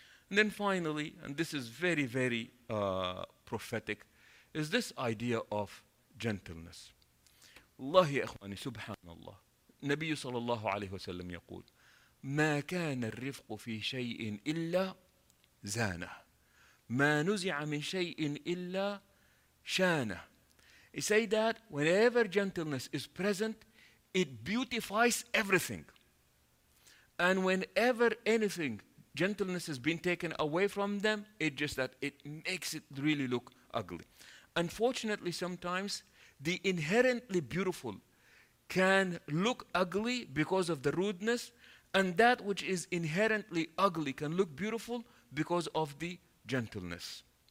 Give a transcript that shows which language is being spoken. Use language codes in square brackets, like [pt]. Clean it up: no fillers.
[en] And then finally, and this is very, very prophetic, is this idea of gentleness. [ar] الله يا إخواني سبحان الله نبي صلى الله عليه وسلم يقول ما كان الرفق في شيء إلا زانه ما نزع من شيء إلا شانه. [en] He said that whenever gentleness is present, it beautifies everything. And whenever anything, gentleness has been taken away from them, it just that it makes it really look ugly. Unfortunately, sometimes the inherently beautiful can look ugly because of the rudeness, and that which is inherently ugly can look beautiful because of the gentleness.